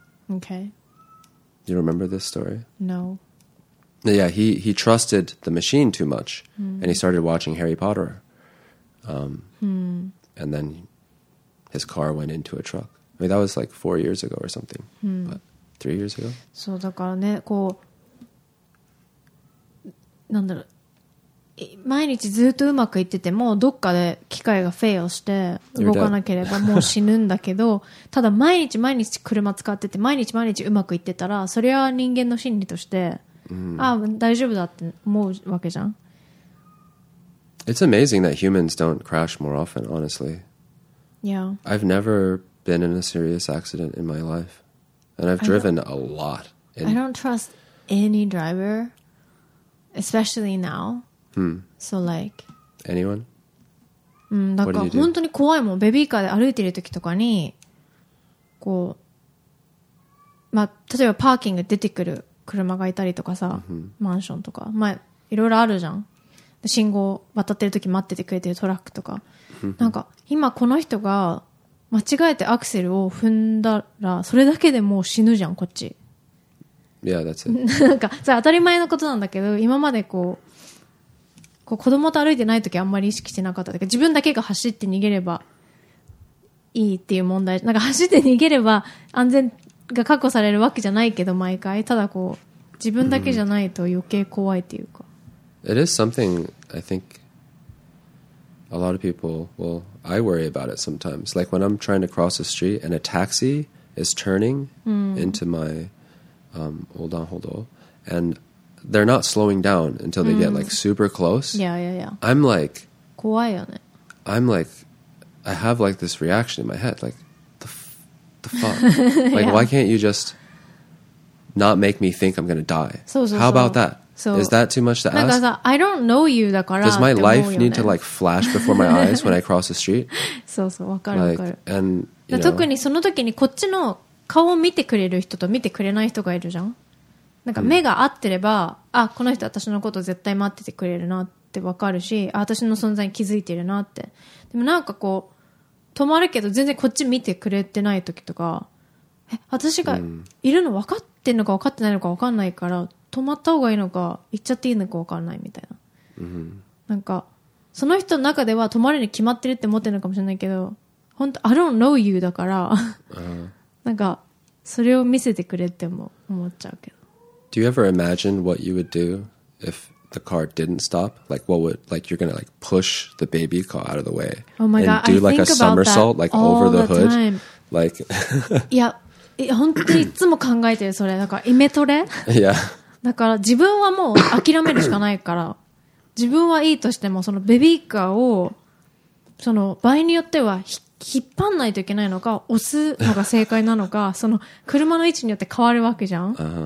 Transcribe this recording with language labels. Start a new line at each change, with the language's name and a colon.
English: Okay. You remember this story? No. Yeah, he trusted the machine too much, and he started watching Harry Potter. And then his car went into a truck. I mean, that was like 4 years ago or something. But 3 years ago?
Japanese: そうだからね、こう、なんだろう、毎日ずっとうまくいってても、どっかで機械がフェイルして動かなければもう死ぬんだけど、ただ毎日毎日車使ってて、毎日毎日うまくいってたら、それは人間の心理として、ああ、大丈夫だって思うわけじゃん。
English: It's amazing that humans don't crash more often, honestly. Yeah. I've never... been in a serious accident in my life and I've driven a lot. I don't trust any driver, especially now. So like anyone?
Japanese: だから本当に怖いもん。ベビーカーで歩いてる時とかにこう、まあ、例えばパーキング出てくる車がいたりとかさ、マンションとか、まあ、いろいろあるじゃん。信号渡ってる時待っててくれてるトラックとか、なんか今この人が間違えてアクセルを踏んだらそれだけでもう死ぬじゃんこっち。
English: Yeah, that's it.
Japanese: なんかさ当たり前のことなんだけど今までこう子供と歩いてない時あんまり意識してなかったか自分だけが走って逃げればいいっていう問題なんか走って逃げれば安全が確保されるわけじゃないけど毎回ただこう自分だけじゃないと余計怖いっていうか。
English: It is something I think a lot of people will. I worry about it sometimes. Like when I'm trying to cross the street and a taxi is turning into my Oldan Hodo and they're not slowing down until they get like super close. Yeah. I'm like...
Japanese: 怖いよね。
English: I'm like... I have like this reaction in my head. Like, the fuck? Like, why can't you just not make me think I'm going to die?
Japanese: そうそうそう。
English: How about that? So, is that too much to ask? I don't know you,
Japanese: だから
English: Does my life need to like flash before my eyes when I cross the street?
Japanese: そうそう、わかるわかる。
English: And, you know,
Japanese: 特にその時にこっちの顔を見てくれる人と見てくれない人がいるじゃん。なんか目が合ってれば、あ、この人私のこと絶対待っててくれるなってわかるし、あ、私の存在に気づいてるなって。でもなんかこう、止まるけど全然こっち見てくれてない時とか、え、私がいるの分かってんのか分かってないのか分かんないから、止まった方がいいのか、行っちゃっていいのか分かんないみたいな。なんか、その人の中では止まるに決まってるって思ってるのかもしれないけど、本当
English: I don't know you
Japanese: だから、なんか、それを見せてくれって思っちゃうけど。
English: Do you ever imagine what you would do if the car didn't stop? Like, what would, like, you're gonna, like, push the baby car out of the way. Oh my god. And do, like, a somersault, like, over the hood. Like, yeah.
Japanese: 本当にいつも考えてる、それ。だから、イメトレ
English: Yeah.
Japanese: だから、自分はもう諦めるしかないから、自分はいいとしても、そのベビーカーを、その、場合によっては、引っ張んないといけないのか、押すのが正解なのか、その、車の位置によって変わるわけじゃん。